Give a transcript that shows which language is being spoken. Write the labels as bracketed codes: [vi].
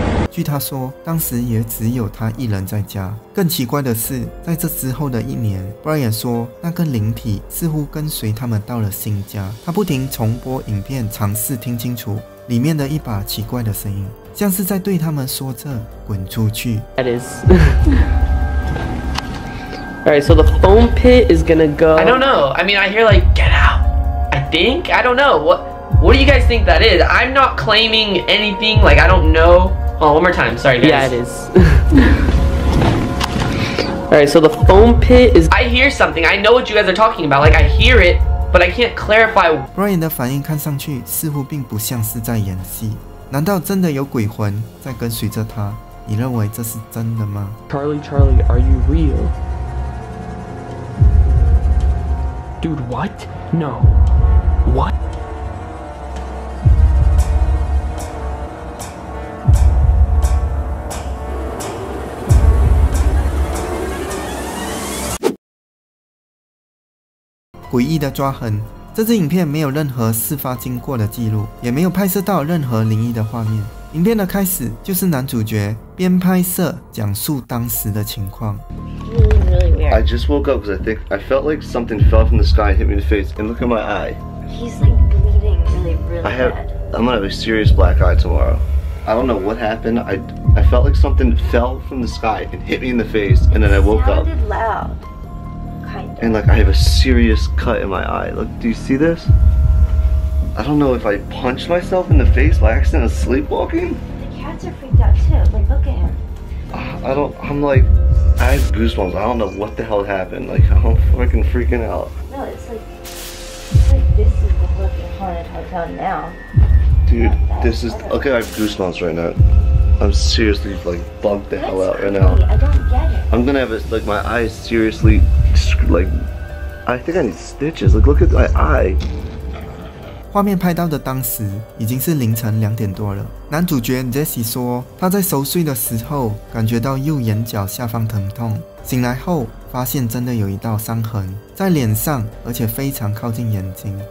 [zh] 据他说，当时也只有他一人在家。更奇怪的是，在这之后的一年， Brian 说那个灵体似乎跟随他们到了新家。他不停重播影片，尝试听清楚里面的一把奇怪的声音，像是在对他们说着滚出去。 [en] That is Alright, so the foam pit is gonna go. I don't know. I mean, I hear like get out. I think. I don't know. What do you guys think that is? I'm not claiming anything. Like, I don't know. Oh, one more time. Sorry, guys. Yeah, it is. Alright, so the foam pit is... I hear something. I know what you guys are talking about. Like, I hear it, but I can't clarify. [zh] Brian 的反应看上去似乎并不像是在演戏。难道真的有鬼魂在跟随着他？你认为这是真的吗？ [en] Charlie, Charlie, are you real? Dude, what? No. What? [zh] 诡异的抓痕。这支影片没有任何事发经过的记录，也没有拍摄到任何灵异的画面。影片的开始就是男主角边拍摄讲述当时的情况。 [en] I just woke up because I think I felt like something fell from the sky and hit me in the face and look at my eye. He's like bleeding really, really bad. I'm gonna have a serious black eye tomorrow. I don't know what happened. I felt like something fell from the sky and hit me in the face and then I woke up. It sounded loud. And like I have a serious cut in my eye. Look, do you see this? I don't know if I punched myself in the face by accident of sleepwalking. The cats are freaked out too. Like, look at him. I'm like, I have goosebumps. I don't know what the hell happened. Like, I'm fucking freaking out. No, it's like this is the fucking haunted hotel now. Dude, this is, okay, I have goosebumps right now. I'm seriously like bugged the That's hell out funny. Right now. I don't get it. I'm gonna have a, like my eye is seriously like, I think I need stitches. Like, look at my eye. [zh] 画面拍到的当时已经是凌晨两点多了。男主角 Jesse 说，他在熟睡的时候感觉到右眼角下方疼痛，醒来后发现真的有一道伤痕在脸上，而且非常靠近眼睛。